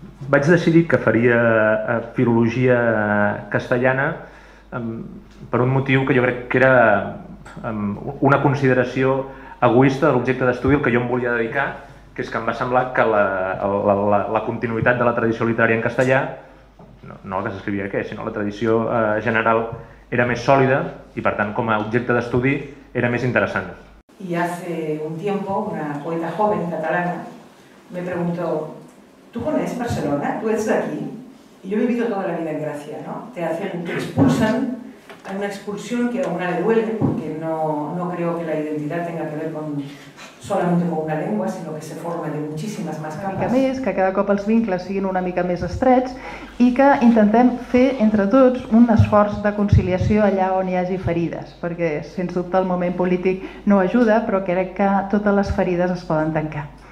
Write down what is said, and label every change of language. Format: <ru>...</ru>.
<ca>Vaig decidir que faria filologia castellana per un motiu que jo crec que era una consideració egoista de l'objecte d'estudi al que jo em volia dedicar, que és que em va semblar que la continuïtat de la tradició literària en castellà, no la que s'escrivia què, sinó la tradició general, era més sòlida i, per tant, com a objecte d'estudi, era més interessant.</ca> <es>Y hace un tiempo una poeta joven catalana me preguntó: ¿tú conoces Barcelona? ¿Tú eres de aquí? Y yo he vivido toda la vida en Gracia, ¿no? Te expulsan, hay una expulsión que a una le duele, porque no creo que la identidad tenga que ver con solamente con una lengua, sino que se forma de muchísimas más capas.</es> <ca>Una mica més, que cada cop els vincles siguin una mica més estrets i que intentem fer entre tots un esforç de conciliació allà on hi hagi ferides, perquè sens dubte el moment polític no ajuda, però crec que totes les ferides es poden tancar.</ca>